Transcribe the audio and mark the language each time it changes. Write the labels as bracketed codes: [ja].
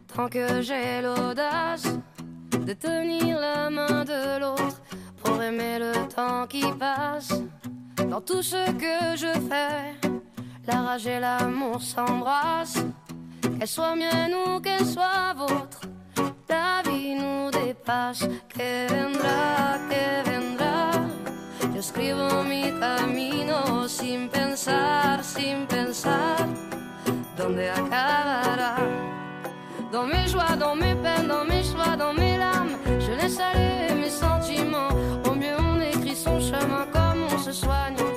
[fr] que j'ai l'audace de tenir la main de l'autre pour aimer le temps qui passe. Dans tout ce que je fais, la rage et l'amour s'embrassent. Qu'elle soit mienne ou qu'elle soit vôtre, la vie nous dépasse. [es] Que vendra, que vendra. Yo escribo mi camino sin pensar, sin pensar. ¿Dónde acabará? [fr] Dans mes joies, dans mes peines, dans mes choix, dans mes larmes, je laisse aller mes sentiments. Au mieux on écrit son chemin comme on se soigne.